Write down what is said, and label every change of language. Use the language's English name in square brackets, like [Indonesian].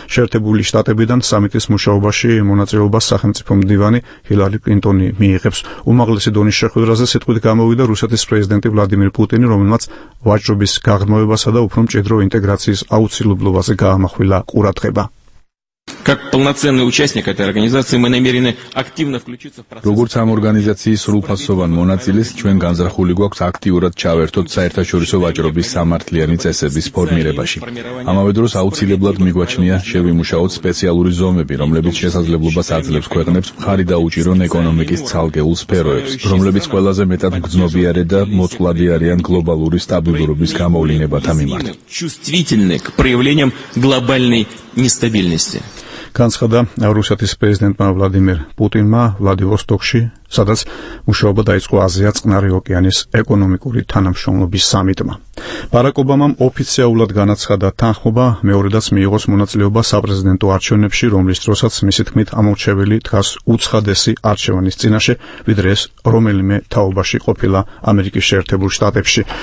[Georgian] შეერთებული შტატებიდან სამიტის მუშაობაში მონაწილეობას სახელმწიფო მდივანი ჰილარი კლინტონი მიიღებს. უმაღლესი დონის შეხვედრაზე სიტყვით გამოვიდა რუსეთის პრეზიდენტი ვლადიმირ პუტინი, რომელმაც ვაჭრობის გაღრმავებასა და უფრო მჭიდრო ინტეგრაციის აუცილებლობაზე გაამახვილა ყურადღება. [Russian] Как полноценный участник этой организации мы намерены активно включиться в процесс. [Georgian] როგორც ამ ორგანიზაციის სრულფასოვან მონაწილეს ჩვენ განზრახული გვაქვს აქტიურად ჩავერთოთ საერთაშორისო ვაჭრობის სამართლიანი წესების ფორმირებაში. ამავე დროს აუცილებლად მიგვაჩნია შევიმუშაოთ სპეციალური ზომები, რომლებიც შესაძლებლობას აძლევს ქვეყნებს მხარი დაუჭირონ ეკონომიკის ცალკეულ სფეროებს, რომლებიც ყველაზე მეტად გრძნობიარე და მოწყვლადი არიან გლობალური სტაბილურობის გამოვლინებათა მიმართ. [Russian] Чувствительны к проявлениям глобальной нестабильности. [Georgian] განცხადა რუსეთის პრეზიდენტმა ვლადიმერ პუტინმა ვლადივოსტოკში, სადაც მუშაობა დაიწყო აზია-წყნარი ოკეანის ეკონომიკური თანამშრომლობის სამიტმა. ბარაკ ობამამ ოფიციალურად განაცხადა თანხმობა მეორედაც მიიღოს მონაწილეობა საპრეზიდენტო არჩევნებში, რომლის დროსაც მისი თქმით ამორჩეველი დგას უცხადესი არჩევანის წინაშე, ვიდრე ეს რომელიმე თაობაში ყოფილა ამერიკის შეერთებულ შტატებში.